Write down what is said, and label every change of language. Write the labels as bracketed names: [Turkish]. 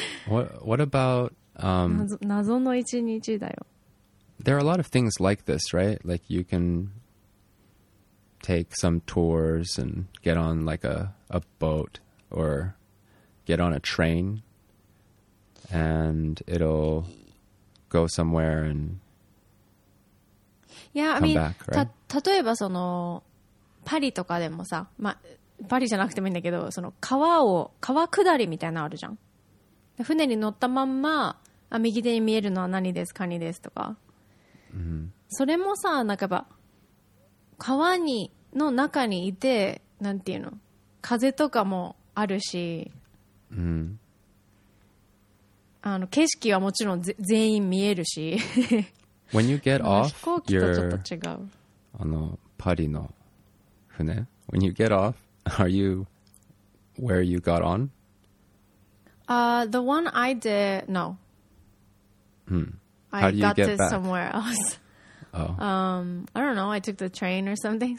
[English] What about, [Japanese] 謎の一日だよ。 [English] There are a lot of things like this, right? Like you can take some tours and get on like a boat or get on a train and it'll go somewhere and yeah, come I mean, back, right? [Japanese] 例えばそのパリとかでもさ、まあ、パリじゃなくてもいいんだけど、その川下りみたいなのあるじゃん。船に乗ったまんま、あ、右手に見えるのは何ですか、カニですとか。それもさ、なんかやっぱ川にの中にいて、なんていうの、風とかもあるし、あの景色はもちろん全員見えるし。 [English] When you get off, [Japanese] 飛行機とちょっと違う。あのパリの船。 [English] When you get off, are you where you got on? The one I did, no. How do you get back? Somewhere else. Oh. I don't know. I took the train or something.